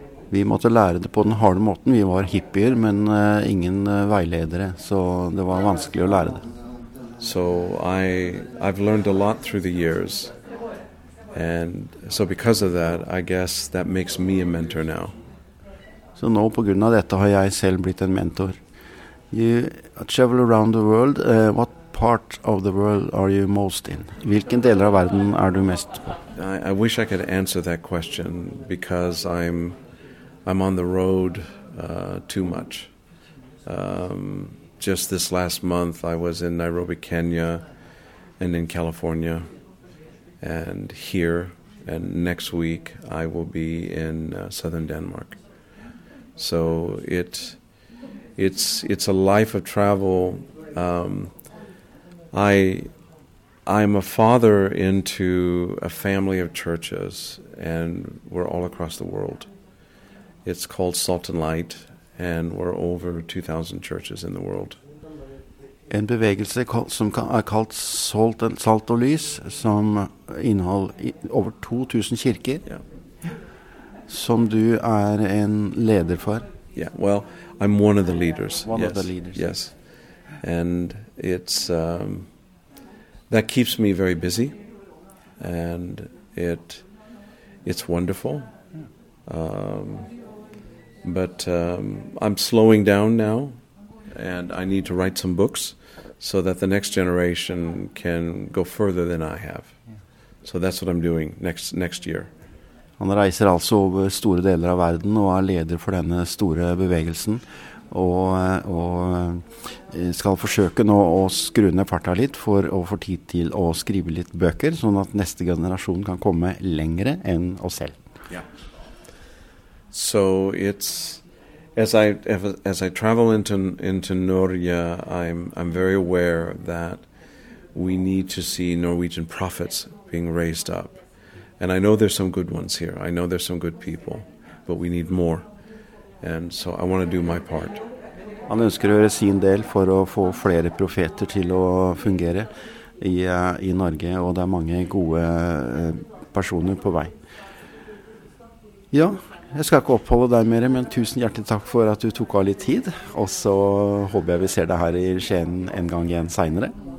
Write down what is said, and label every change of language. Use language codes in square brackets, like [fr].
[no] Vi måtte lære det på den harde måten. Vi var hippier, men ingen veiledere, så det var vanskelig å lære det. [en] So I've learned a lot through the years. And so because of that, I guess that makes me a mentor now. [no] Så nå på grunn av dette har jeg selv blitt en mentor. [en] You travel around the world. What part of the world are you most in? [no] Hvilken deler av verden er du mest på? [en] I wish I could answer that question because I'm on the road too much. Just this last month, I was in Nairobi, Kenya, and in California, and here, and next week, I will be in southern Denmark. So it's a life of travel. I'm a father into a family of churches, and we're all across the world. It's called Salt and Light, and we're over 2,000 churches in the world. [no] En bevegelse som er kalt Salt og Lys, som inneholder over 2,000 kirker, [en] yeah. [no] Som du er en leder for. [en] Yeah, well, I'm one of the leaders. One yes. of the leaders. Yes, and it's, that keeps me very busy, and it's wonderful. But I'm slowing down now, and I need to write some books so that the next generation can go further than I have. So that's what I'm doing next year. [no] Han reiser altså over store deler av verden og leder for denne store bevegelsen, og skal forsøke nå å skru ned farta litt for å få tid til å skrive litt bøker, sånn at neste generasjon kan komme lengre enn oss selv. [en] So it's as I travel into Norge, I'm very aware that we need to see Norwegian prophets being raised up, and I know there's some good ones here. I know there's some good people, but we need more, and so I want to do my part. [no] Han ønsker å gjøre sin del for å få flere profeter til å fungere i Norge, og det er mange gode personer på vei. Ja. Jeg skal ikke oppholde deg mer, men tusen hjertelig takk for at du tok av litt tid, og så håper jeg vi ser deg her i Skien en gang igjen senere.